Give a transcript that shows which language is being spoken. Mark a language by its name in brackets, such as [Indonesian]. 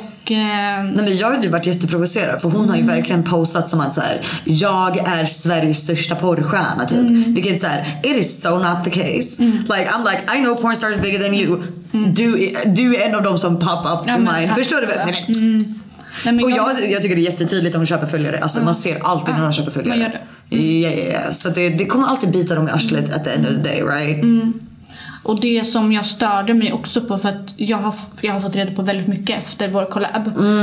[Swedish] Nej, men jag har ju varit jätteprovocerad. För hon har ju verkligen postat som att så här, jag är Sveriges största porrstjärna typ. Vilket så här, [English] it is so not the case. Like I'm like, I know pornstars bigger than you. [Swedish] Du är en av dem som [English] pop up to mine. [Swedish] Förstår du vad jag menar? Och jag tycker det är jättetydligt om hon köper följare. Alltså man ser alltid när hon köper följare. Så det kommer alltid bita dem i arslet [English] at the end of the day, right? [Swedish] Och det som jag störde mig också på, för att jag har fått reda på väldigt mycket efter vår collab.